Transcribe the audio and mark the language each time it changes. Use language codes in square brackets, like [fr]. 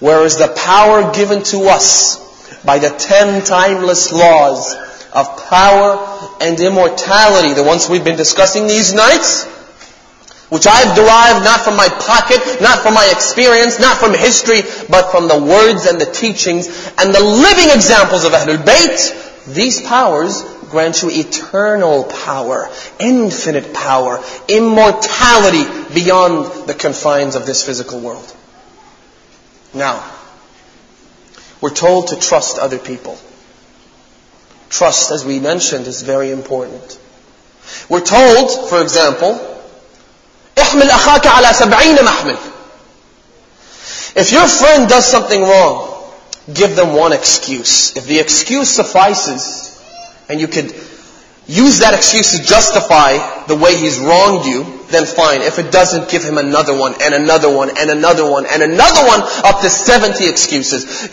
[en] Whereas the power given to us by the 10 timeless laws of power and immortality, the ones we've been discussing these nights, which I've derived not from my pocket, not from my experience, not from history, but from the words and the teachings and the living examples of Ahlul Bayt, these powers grant you eternal power, infinite power, immortality beyond the confines of this physical world. Now, we're told to trust other people. Trust, as we mentioned, is very important. We're told, for example, [ar] احمل أخاك على سبعين محمل. [en] If your friend does something wrong, give them one excuse. If the excuse suffices, and you could use that excuse to justify the way he's wronged you, then fine. If it doesn't, give him another one, and another one, and another one, and another one, up to 70 excuses.